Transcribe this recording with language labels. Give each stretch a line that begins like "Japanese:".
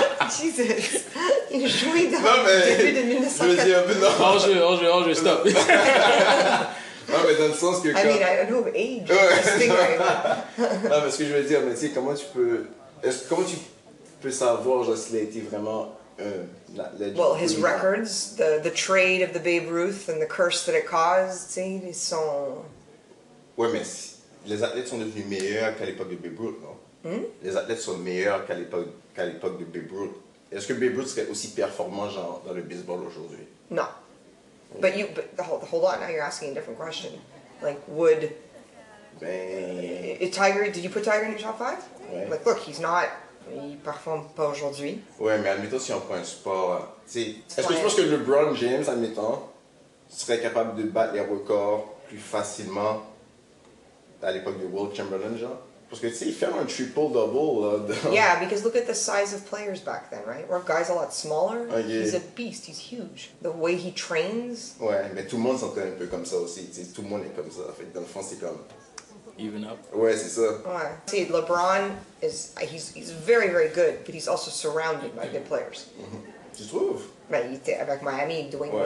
French: Jesus! Il jouait dans le début de 1940. Je me dis un peu, non! En jeu, stop! Non, mais dans le sens que.
English: I know of age! Ouais,
French: non, mais ce que je veux dire, mais tu sais, comment tu peux savoir genre, s'il a été vraiment un
English: legend? Well, his records, the trade of the Babe Ruth and the curse that it caused,
French: tu sais, ils sont. Ouais, mais les athlètes sont devenus meilleurs qu'à l'époque de Babe Ruth, non? Les athlètes sont meilleurs qu'à l'époque de Babe Ruth. Est-ce que Babe Ruth serait aussi performant genre dans le baseball aujourd'hui? Non.
English: But you, but hold on, now you're asking a different question. Like, would...
French: Ben...
English: Tiger, did you put Tiger in your top 5?
French: Ouais.
English: Like, look, he's not...
French: Il performe pas aujourd'hui. Ouais, mais admettons si on prend un sport... Est-ce que tu penses que LeBron James, admettons, serait capable de battre les records plus facilement à l'époque de Wilt Chamberlain, genre? Parce que tu sais, il fait un triple double.
English: Yeah, because look at the size of players back then, right? Were guys a lot smaller? Okay. He's a beast, he's huge. The way he trains.
French: Ouais, mais tout le monde s'entraîne un peu comme ça aussi. T'sais, tout le monde est comme ça. Fait, dans le fond, c'est comme.
English: Even up.
French: Ouais, c'est ça.
English: Ouais. See, LeBron is. He's very, very good, but he's also surrounded by good players.
French: Tu trouves? Mais il était avec Miami, Dwayne Wade.